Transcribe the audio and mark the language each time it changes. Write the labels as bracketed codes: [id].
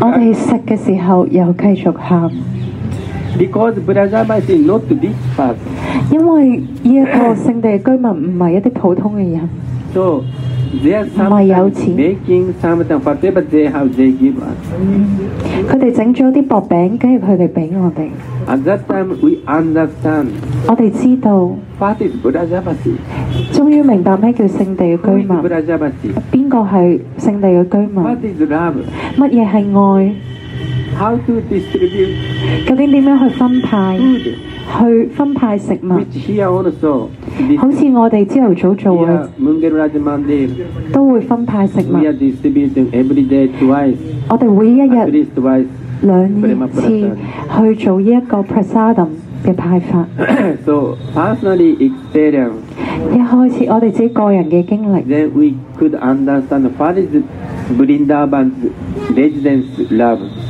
[zh] 我們吃的時候又繼續哭. [en] Because Brajama is not this fast. [zh] 因為這個聖地居民不是一些普通的人。 [en] So, they are sometimes making something, whatever they have, they give us. [zh] 他們做了一些薄餅, 然後他們給我們。 [en] At that time, we understand. [zh] 我們知道。 [en] What is Brajavasi? [zh] 終於明白什麼叫聖地的居民。 [en] Who is Brajavasi? [zh] 誰是聖地的居民? [en] What is love? [zh] 什麼是愛? [en] How to distribute? [zh] 究竟怎樣去分派? [en] Food. [zh] 去分派食物, [en] which here also, [zh] 好像我們早上做的, [en] here, Mungeraj Mandir, [zh] 都會分派食物, [en] we are distributing every day twice, [zh] 我們每一天, [en] at least twice, [zh] 兩次, 去做這個prasadam的派法。 [en] So, personally experience, [zh] 一開始我們自己個人的經歷, [en] then we could understand what is Vrindavan's residence love.